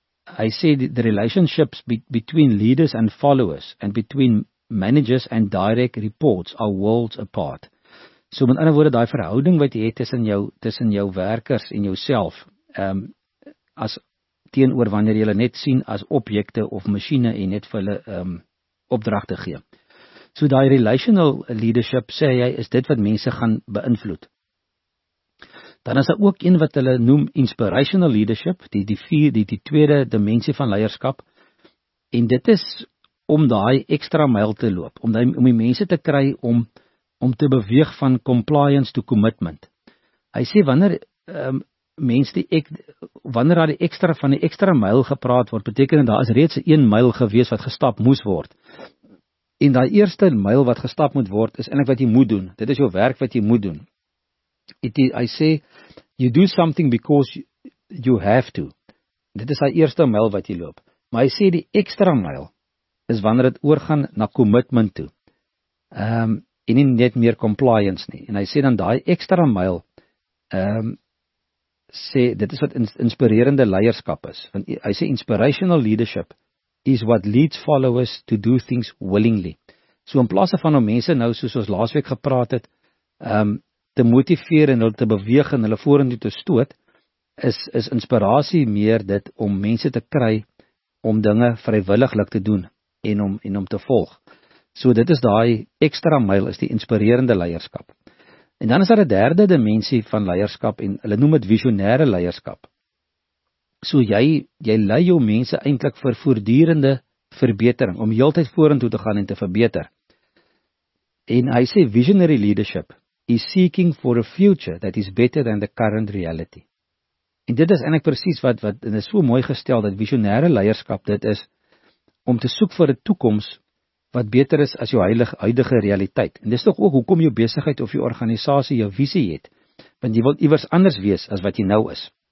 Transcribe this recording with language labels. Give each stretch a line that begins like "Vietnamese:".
Afrikaans: Hy sê
English: the relationships between leaders and followers and between managers and direct reports are worlds apart.
Afrikaans: So met ander woorde, die verhouding wat jy het tussen jou werkers en jouself, as teenoor wanneer jy hulle net sien as objekte of masjiene en net vir hulle opdragte gee. So die relational leadership, sê hy, is dit wat mense gaan beïnvloed. Dan is daar ook een wat hulle noem inspirational leadership, die tweede dimensie van leierskap, en dit is om daai extra mile te loop, om die mense te kry om te beweeg van compliance to commitment. Hy sê wanneer daar die extra van die extra mile gepraat word, beteken dat daar is reeds 1 mile gewees wat gestap moes word. En die eerste mile wat gestap moet word, is eintlik wat jy moet doen. Dit is jou werk wat jy moet doen.
English: I sê, you do something because you have to.
Afrikaans: Dit is die eerste mile wat jy loop. Maar hy sê, die extra mile is wanneer het oorgaan na commitment toe. En nie net meer compliance nie. En hy sê dan die extra mile, sê, dit is wat inspirerende leierskap is. Want hy sê,
English: inspirational leadership is what leads followers to do things willingly.
Afrikaans: So in plaas van om mense nou, soos ons laasweek gepraat het, te motiveer en hulle te beweeg en hulle vorentoe te stoot, is inspirasie meer dit om mense te kry om dinge vrywilliglik te doen en om te volg. So dit is daai extra mile, is die inspirerende leierskap. En dan is daar 'n derde dimensie van leierskap en hulle noem dit visionêre leierskap. So jy lei jou mense eintlik vir voortdurende verbetering, om heeltyd vorentoe te gaan en te verbeter. En hy sê
English: visionary leadership is seeking for a future that is better than the current reality.
Afrikaans: En dit is eintlik presies wat en is so mooi gestel, dat visionêre leierskap dit is om te soek vir 'n toekoms wat beter is as jou huidige realiteit. En dis tog ook hoekom jou besigheid of jou organisasie jou visie het, want jy wil iewers anders wees as wat jy nou is.